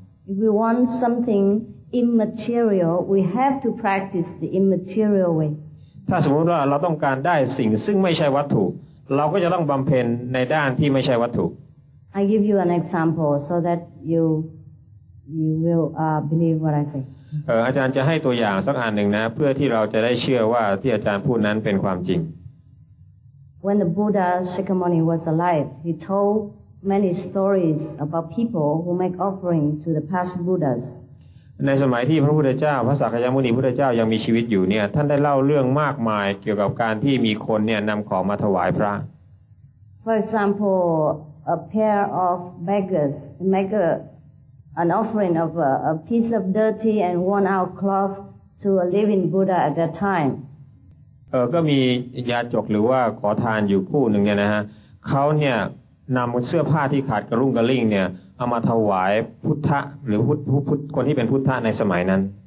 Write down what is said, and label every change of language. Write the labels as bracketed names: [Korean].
[English] If we want something immaterial we have to practice the immaterial way [Thai] ถ้าสมมติว่าเราต้องการได้สิ่งซึ่งไม่ใช่วัตถุเราก็จะต้องบำเพ็ญในด้านที่ไม่ใช่วัตถุ [English] I give you an example so that you will believe what I say [Thai] อาจารย์จะให้ตัวอย่างสักอันหนึ่งนะเพื่อที่เราจะได้เชื่อว่าที่อาจารย์พูดนั้นเป็นความจริง [English] When the Buddha Shakyamuni was alive he told many stories about people who make offering to the past Buddhas [Thai] ในสมัยที่พระพุทธเจ้าพระสักยมุนีพุทธเจ้ายังมีชีวิตอยู่เนี่ยท่านได้เล่าเรื่องมากมายเกี่ยวกับการที่มีคนเนี่ยนำของมาถวายพระ [English] For example a pair of beggars makean offering of a piece of dirty and worn out cloth to a living Buddha at that time [Thai] ก็มียาจกหรือว่าขอทานอยู่ผู้หนึ่งเนี่ยนะฮะเขาเนี่ยนำเสื้อผ้าที่ขาดกระรุ่งกระริ่งเนี่ยเอามาถวายพุทธะหรือพุทธคนที่เป็นพุทธะในสมัยนั้น